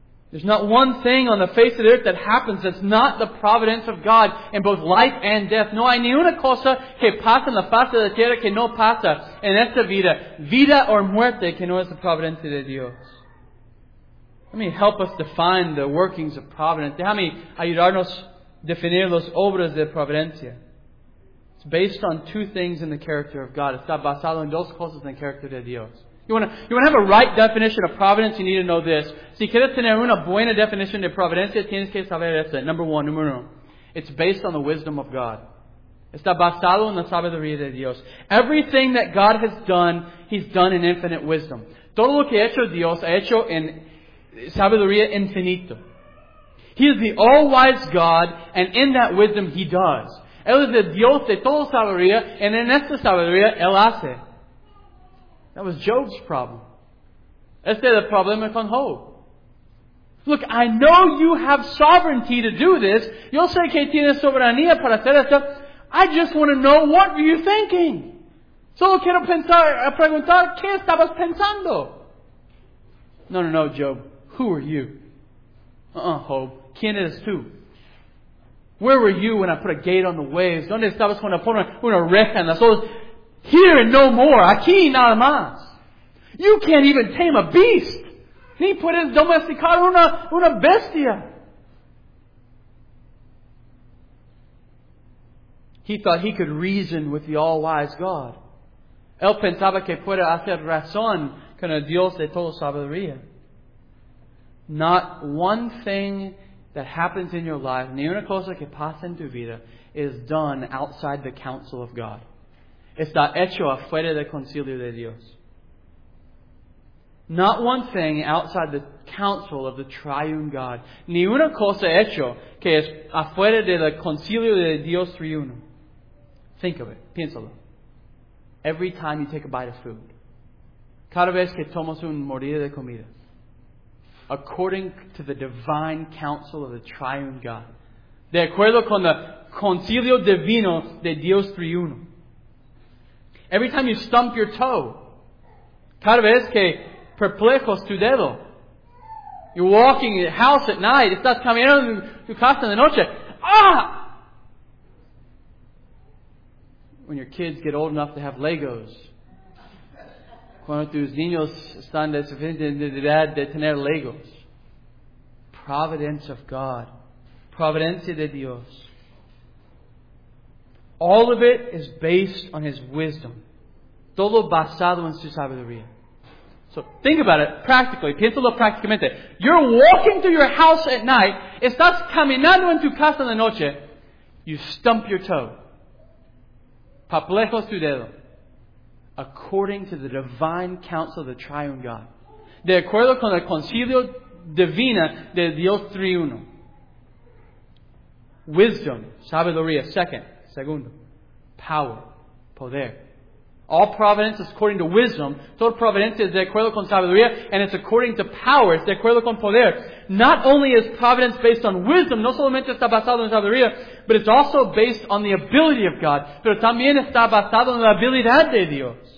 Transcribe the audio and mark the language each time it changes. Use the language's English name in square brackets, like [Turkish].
[English] There's not one thing on the face of the earth that happens that's not the providence of God in both life and death. [Spanish] No hay ni una cosa que pasa en la faz de la tierra que no pasa en esta vida. Vida o muerte que no es la providencia de Dios. [English] Let me help us define the workings of providence. [Spanish] Déjame ayudarnos a definir las obras de providencia. [English] It's based on 2 things in the character of God. [Spanish] Está basado en 2 cosas en el character de Dios. [English] You want to have a right definition of providence, you need to know this. [Spanish] Si quieres tener una buena definición de providencia, tienes que saber esto. [English] Number 1. It's based on the wisdom of God. [Spanish] Está basado en la sabiduría de Dios. [English] Everything that God has done, He's done in infinite wisdom. [Spanish] Todo lo que ha hecho Dios ha hecho en sabiduría infinita. [English] He is the all-wise God, and in that wisdom, He does. [Spanish] Él es el Dios de toda sabiduría, and en esta sabiduría, Él hace. [English] That was Job's problem. [Spanish] Este es el problema con Job. [English] Look, I know you have sovereignty to do this. [Spanish] Yo sé que tienes soberanía para hacer esto. [English] I just want to know, what were you thinking? [Spanish] Solo quiero preguntar, ¿qué estabas pensando? No, Job. [English] Who are you? [Spanish] Job. ¿Quién eres tú? [English] Where were you when I put a gate on the waves? [Spanish] ¿Dónde estabas cuando pone una reja en las olas? Here and no more. Aquí nada más. You can't even tame a beast. Ni puedes domesticar una bestia. [English] He thought he could reason with the all-wise God. [Spanish] Él pensaba que puede hacer razón con el Dios de toda sabiduría. [English] Not one thing that happens in your life, [Spanish] ni una cosa que pasa en tu vida, [English] is done outside the counsel of God. [Spanish] Está hecho afuera del concilio de Dios. [English] Not one thing outside the counsel of the triune God. [Spanish] Ni una cosa hecho que es afuera del concilio de Dios triuno. [English] Think of it. [Spanish] Piénsalo. [English] Every time you take a bite of food. [Spanish] Cada vez que tomas un mordida de comida. [English] According to the divine counsel of the triune God. [Spanish] De acuerdo con el concilio divino de Dios triuno. [English] Every time you stump your toe, [Spanish] cada vez que perplejos tu dedo, [English] you're walking in the house at night, [Spanish] estás caminando en tu casa en la noche, ah! [English] When your kids get old enough to have Legos, [Spanish] cuando tus niños están de suficiente edad de tener Legos, [English] providence of God, [Spanish] providencia de Dios, [English] all of it is based on His wisdom. [Spanish] Todo basado en su sabiduría. [English] So think about it practically. [Spanish] Piénsalo prácticamente. [English] You're walking through your house at night. [Spanish] Estás caminando en tu casa en la noche. [English] You stump your toe. [Spanish] Perplejo tu dedo. [English] According to the divine counsel of the triune God. [Spanish] De acuerdo con el concilio divino de Dios triuno. Wisdom. Sabiduría. Segundo. Power. Poder. [English] All providence is according to wisdom. [Spanish] Toda providencia es de acuerdo con sabiduría. [English] And it's according to power. [Spanish] Es de acuerdo con poder. [English] Not only is providence based on wisdom, [Spanish] no solamente está basado en sabiduría, [English] but it's also based on the ability of God. [Spanish] Pero también está basado en la habilidad de Dios.